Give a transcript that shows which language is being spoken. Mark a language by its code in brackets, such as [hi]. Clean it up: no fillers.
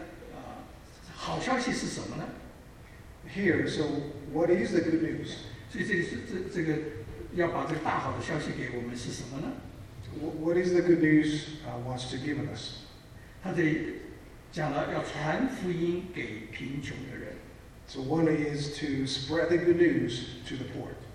[zh] 喜年，Jubilee。好，那这里呢，好消息是什么呢？ [en] Here, so what is the good news? [zh] 所以这里是这个要把这个大好的消息给我们是什么呢？ [en] What is the good news wants to give us? [zh] 他这里 讲了要传福音给贫穷的人。 [en] So one is to spread the good news to the poor.